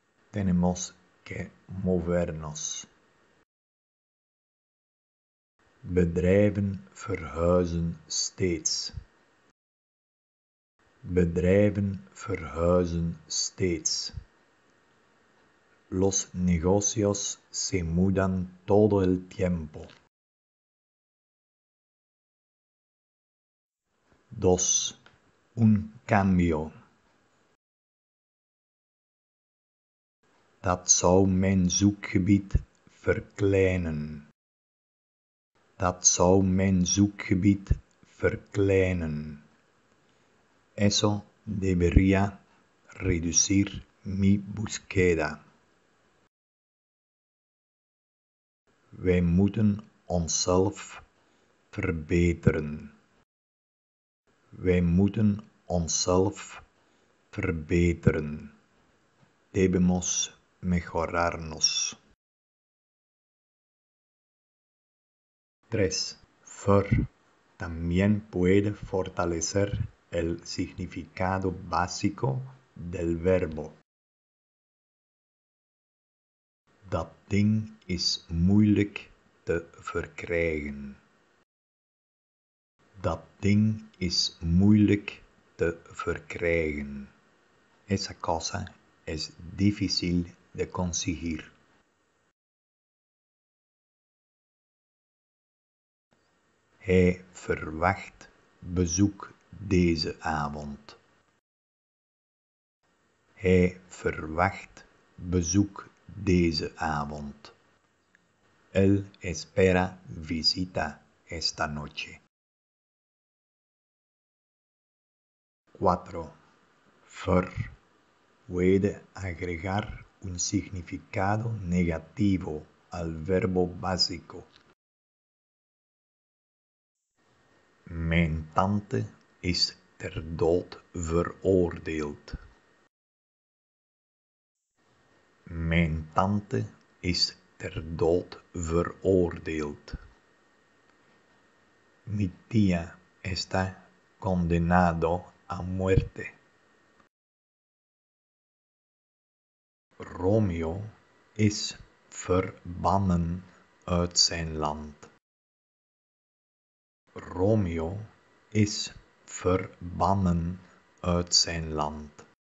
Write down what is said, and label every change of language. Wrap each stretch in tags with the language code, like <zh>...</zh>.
<es>Tenemos que movernos.</es> <nl>Bedrijven verhuizen steeds. Bedrijven verhuizen steeds.</nl> <es>Los negocios se mudan todo el tiempo. 2. Un cambio.</es> <nl>Dat zou mijn zoekgebied verkleinen. Dat zou mijn zoekgebied verkleinen.</nl> <es>Eso debería reducir mi búsqueda.</es> <nl>Wij moeten onszelf verbeteren. Wij moeten onszelf verbeteren.</nl> <es>Debemos mejorarnos. 3. Fer también puede fortalecer el significado básico del verbo.</es> <nl>Dat ding is moeilijk te verkrijgen. Dat ding is moeilijk te verkrijgen.</nl> <es>Esa cosa es difícil de conseguir.</es> <nl>3. Hij verwacht bezoek deze avond. Hij verwacht bezoek deze avond.</nl> <es>Él espera visita esta noche. 4. Fer puede agregar un significado negativo al verbo básico.</es> <nl>Mijn tante is ter dood veroordeeld. Mijn tante is ter dood veroordeeld.</nl> <es>Mi tía está condenado a muerte.</es> <nl>Romeo is verbannen uit zijn land. Romeo is verbannen uit zijn land.</nl>